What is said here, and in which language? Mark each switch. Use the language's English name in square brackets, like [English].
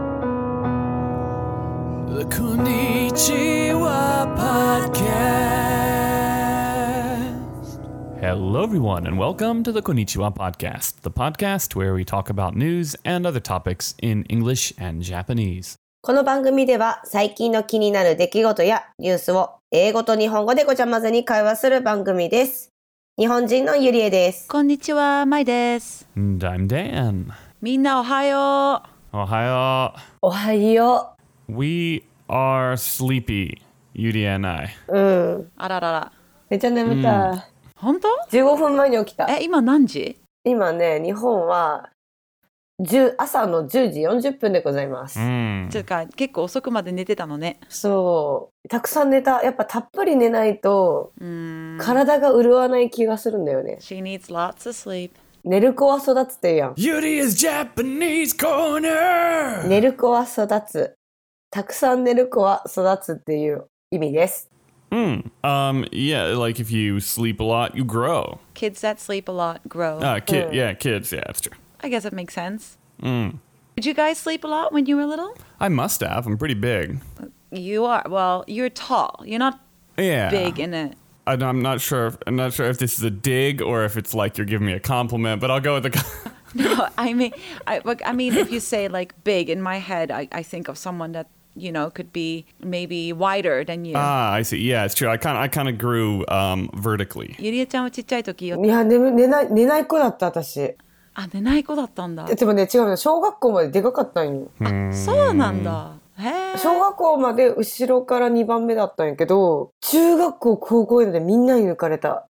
[Japanese] こんにちは、パッドキャスト。 [English] Hello everyone and welcome to the こんにちは podcast, the podcast where we talk about news and other topics in English and Japanese. [Japanese] この番組では最近の気になる出来事やニュースを英語と日本語でごちゃ混ぜに会話する番組です。日本人のゆりえです。こんにちは、まいです。 [English] And I'm Dan. [Japanese] みんなおはよう。おはよう。おはよう。 [English] We are sleepy, Yuri and I. [Japanese] うん。あららら。めっちゃ眠たい。本当？ 15 分前に起きた。え、今何時？今ね、日本は朝の10時40分でございます。ちょっと結構遅くまで寝てたのね。そう。たくさん寝た。やっぱたっぷり寝ないと、体が潤わない気がするんだよね。 [English] She needs lots of sleep. [Japanese] 寝る子は育つって言うやん。 [English] Yuri is Japanese corner! [Japanese] 寝る子は育つ。たくさん寝る子は育つっていう意味です。 [English] Yeah, like if you sleep a lot, you grow. Kids that sleep a lot grow. Yeah, kids, yeah, that's true. I guess it makes sense. Did you guys sleep a lot when you were little? I must have, I'm pretty big. You are, well, you're tall. You're not big in it. I'm not sure if this is a dig or if it's like you're giving me a compliment, but I'll go with the No, I mean, if you say like big in my head, I think of someone that, you know, could be maybe wider than you. Ah, I see. Yeah, it's true. I kind of grew vertically. Yuri-chan was [Japanese] ちっちゃい時よ。いや、寝ない子だった私。あ、寝ない子だったんだ。でもね、違うね。小学校まででかかったんよ。あ、そうなんだ。小学校まで後ろから2番目だったんやけど、中学校高校でみんなに抜かれた。